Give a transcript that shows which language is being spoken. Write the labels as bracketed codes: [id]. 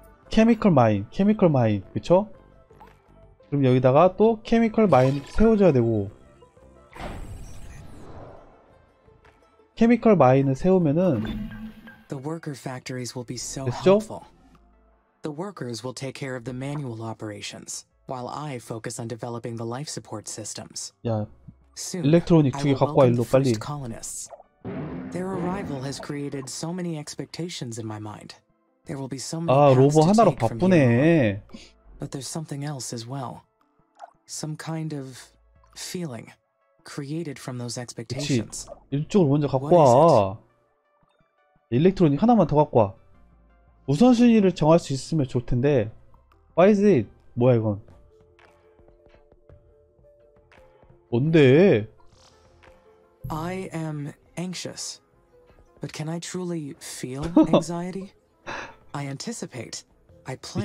[ko] 케미컬 마인 그쵸? 그럼 여기다가 또 케미컬 마인 세워줘야 되고, 케미컬 마인을 세우면은 됐죠? [en] The workers will take care of the manual operations while I focus on developing the life support systems. [ko] 야, 일렉트로닉 2개 갖고 와 일로 빨리. [en] Their arrival has created so many expectations in my mind. There will be so many. [ko] 아, 로봇 하나로 바쁘네. [en] But there's something else as well. Some kind of feeling created from those expectations. [ko] 이쪽을 먼저 갖고 와. 일렉트로닉 하나만 더 갖고 와. 우선순위를 정할 수 있으면 좋을 텐데. [en] Why is it? [ko] 뭐야 이건? 뭔데? [en] I am anxious. But can I truly feel anxiety? I anticipate. I plan.